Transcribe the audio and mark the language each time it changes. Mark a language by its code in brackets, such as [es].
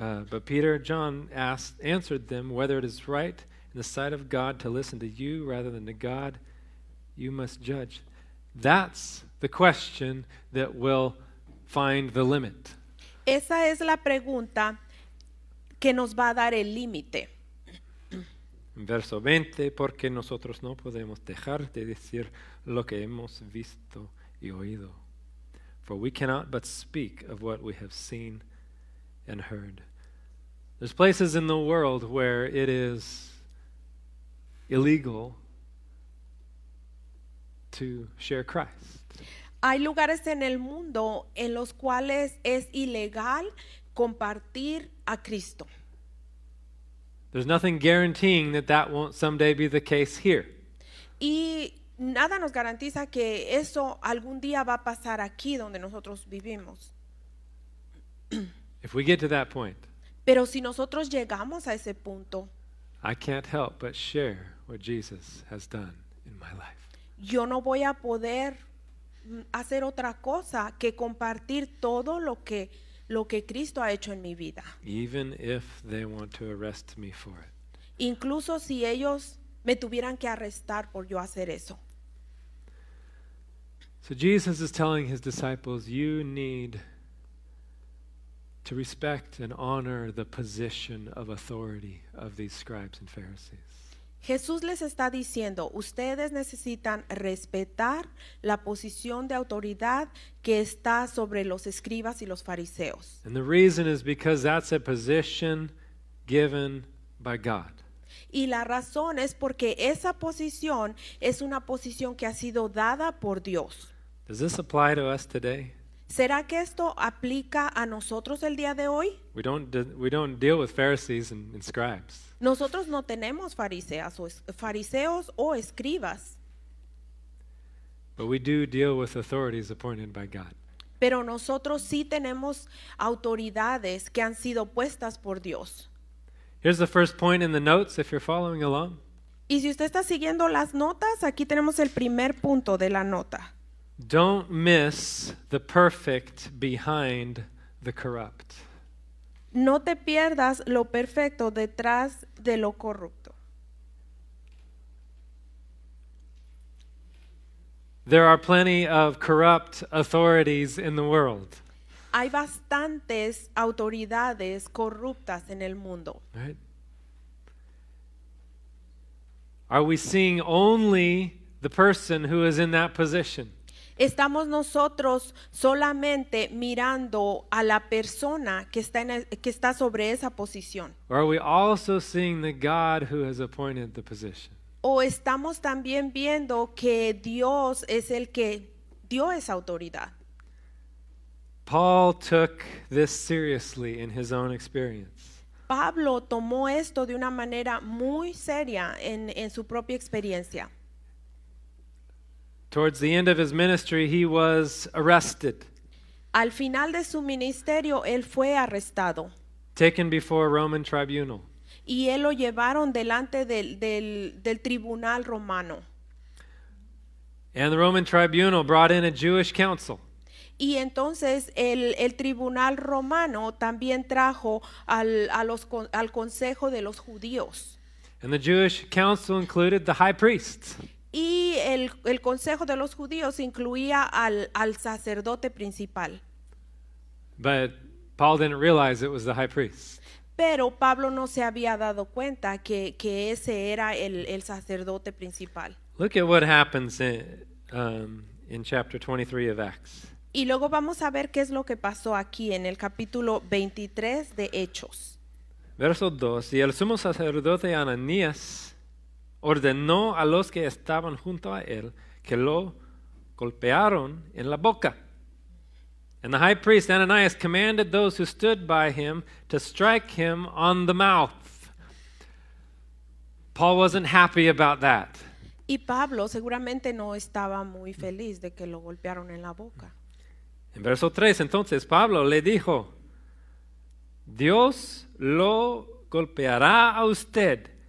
[en] But Peter and John answered them, whether it is right in the sight of God to listen to you rather than to God, you must judge. That's the question that will find the limit. [es] Esa es la pregunta que nos va a dar el límite. Verso 20, porque nosotros no podemos dejar de decir lo que hemos visto y oído. [en] For we cannot but speak of what we have seen and heard. There's places in the world where it is illegal to share Christ. [es] Hay lugares en el mundo en los cuales es ilegal compartir a Cristo. [en] There's nothing guaranteeing that won't someday be the case here. [es] Y nada nos garantiza que eso algún día va a pasar aquí donde nosotros vivimos. [en] If we get to that point, [es] pero si nosotros llegamos a ese punto, [en] I can't help but share what Jesus has done in my life. [es] Yo no voy a poder hacer otra cosa que compartir todo lo que Cristo ha hecho en mi vida. [en] Even if they want to arrest me for it. [es] Incluso si ellos me tuvieran que arrestar por yo hacer eso. [en] So Jesus is telling his disciples, you need to respect and honor the position of authority of these scribes and Pharisees. [es] Jesús les está diciendo, ustedes necesitan respetar la posición de autoridad que está sobre los escribas y los fariseos. [en] And the reason is because that's a position given by God. [es] Y la razón es porque esa posición es una posición que ha sido dada por Dios. [en] Does this apply to us today? [es] ¿Será que esto aplica a nosotros el día de hoy? [en] We don't deal with Pharisees and scribes. [es] Nosotros no tenemos fariseos o escribas. [en] But we do deal with authorities appointed by God. [es] Pero nosotros sí tenemos autoridades que han sido puestas por Dios. [en] Here's the first point in the notes if you're following along. [es] Y si usted está siguiendo las notas, aquí tenemos el primer punto de la nota. [en] Don't miss the perfect behind the corrupt. [es] No te pierdas lo perfecto detrás de lo corrupto. [en] There are plenty of corrupt authorities in the world. [es] Hay bastantes autoridades corruptas en el mundo. [en] Right? Are we seeing only the person who is in that position? [es] ¿Estamos nosotros solamente mirando a la persona que está sobre esa posición? [en] Or are we also seeing the God who has appointed the position? [es] ¿O estamos también viendo que Dios es el que dio esa autoridad? [en] Paul took this seriously in his own experience. [es] Pablo tomó esto de una manera muy seria en su propia experiencia. [en] Towards the end of his ministry, he was arrested. [es] Al final de su ministerio, él fue arrestado. [en] Taken before a Roman tribunal. [es] Y él lo llevaron delante del tribunal romano. [en] And the Roman tribunal brought in a Jewish council. [es] Y entonces el tribunal romano también trajo al consejo de los judíos. [en] And the Jewish council included the high priest. [es] Y el consejo de los judíos incluía al sacerdote principal. [en] But Paul didn't realize it was the high priest. [es] Pero Pablo no se había dado cuenta que ese era el sacerdote principal. [en] Look at what happens in chapter 23 of Acts. [es] Y luego vamos a ver qué es lo que pasó aquí en el capítulo 23 de Hechos. Verso 2, y el sumo sacerdote Ananías ordenó a los que estaban junto a él que lo golpearon en la boca. [en] And the high priest Ananias commanded those who stood by him to strike him on the mouth. Paul wasn't happy about that. [es] Y Pablo seguramente no estaba muy feliz de que lo golpearon en la boca. En verso 3, entonces Pablo le dijo, Dios lo golpeará a usted.